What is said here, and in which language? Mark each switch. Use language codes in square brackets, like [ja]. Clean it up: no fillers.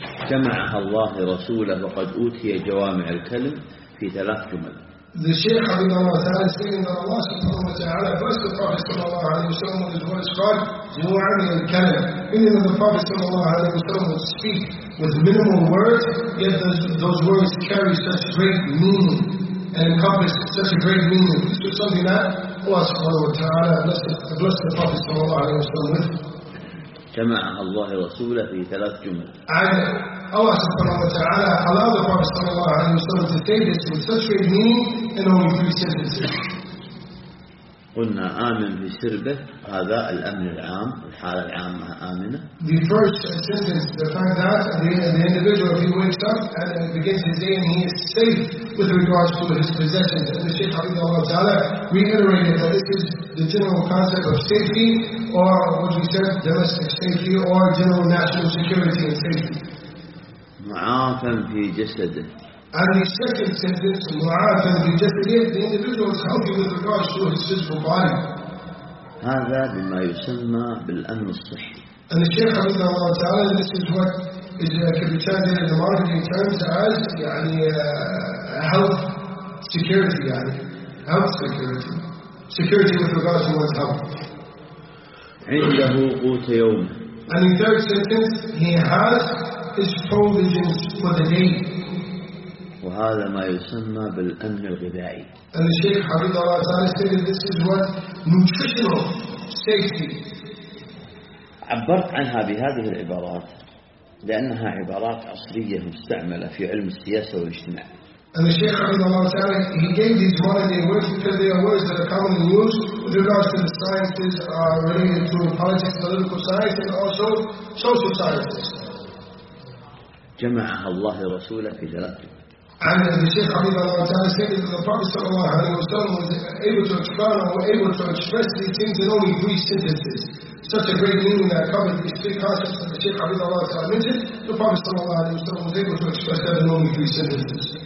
[ar] جمعها الله رسوله وقد أوتي جوامع الكلم في ثلاث جمل. [en] The Shaykh [ar] رحمه الله تعالى [en] stated that Allah [ar] سبحانه وتعالى [en] blessed the Prophet [ar] صلى الله عليه وسلم [en] with his words called [ar] جوامع الكلم, [en] meaning that the Prophet صلى الله عليه وسلم would speak with minimal words, yet those words carry such great meaning and encompass such a great meaning. This is something that Allah subhanahu wa ta'ala blessed the Prophet sallallahu alayhi wa sallam with. [ar] جمعها الله رسوله في ثلاث جمل. [en] And Allah subhanahu wa ta'ala allowed the Prophet sallallahu alayhi wa sallam to say this with such great meaning in only three sentences. [ar] قلنا آمن بسربه هذا الأمن العام الحالة العامة آمنة. [en] The first sentence, the fact that the individual, if he wakes up and begins his day and he is safe with regards to his possessions, and the Shaykh [ar] حفظه الله تعالى [en] reiterated that this is the general concept of safety, or what we said, domestic safety, or general national security and safety. [ar] معافى في جسده. [en] And the second sentence, [ar] مُعَافَ بِجَسْدِهِ, [en] the individual is healthy with regards to his physical body. [ar] هذا بما يسمى بالأمن الصحي. [en] And the Shaykh [ar] رحمه الله تعالى, [en] this is what is can be translated in the marketing terms as يعني, health security, يعني, health security. Security with regards to one's health. [ar] عنده قوت يوم. [en] And the third sentence, he has his provisions for the day. [ar] وهذا ما يسمى بالأمن الغذائي. [en] And the Shaykh [ar] حفظه الله تعالى [en] stated this is what nutritional safety. [ar] عبرت عنها بهذه العبارات لأنها عبارات عصرية مستعملة في علم السياسة والاجتماع. [en] And the Shaykh [ar] حفظه الله تعالى [en] he gave these modern words because they are words that are commonly used with regards to the sciences related to politics, political science, and also social sciences. [ar] جمعها الله رسوله في ثلاث. [en] And the Shaykh [ar] حفظه الله تعالى [en] said that the Prophet [ar] صلى الله عليه وسلم [en] was able to explain or able to express these things in only three sentences. Such a great meaning that covered these three concepts that the Shaykh [ar] حفظه الله تعالى [en] mentioned, the Prophet [ar] صلى الله عليه وسلم [en] was able to express that in only three sentences.